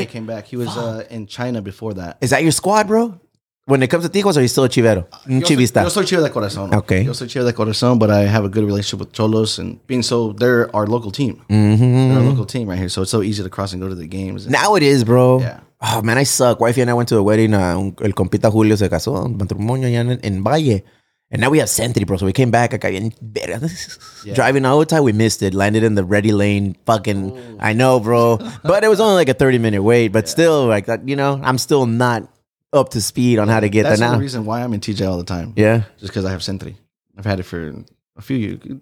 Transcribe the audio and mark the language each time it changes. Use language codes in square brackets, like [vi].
[en] He came back. He was in China before that. Is that your squad, bro? When it comes to Tijuas, are you still a chivero? [es] Un chivista. Yo soy chivo de corazón. [en] Okay. [es] Yo soy chivo de corazón, [en] but I have a good relationship with Cholos. And being so, they're our local team. Mm-hmm. They're our local team right here. So it's so easy to cross and go to the games. Now it is, bro. Yeah. Oh, man, I suck. Wifey and I went to a wedding. [es] El compita Julio se casó en matrimonio allá en Valle. [en] And now we have Sentry, bro. So we came back. Driving all the time. We missed it. Landed in the ready lane. Fucking, ooh. I know, bro. But it was only like a 30-minute wait. But still, like, you know, I'm still not up to speed on how to get that now. That's the reason why I'm in TJ all the time. Yeah. Just because I have Sentry. I've had it for a few years.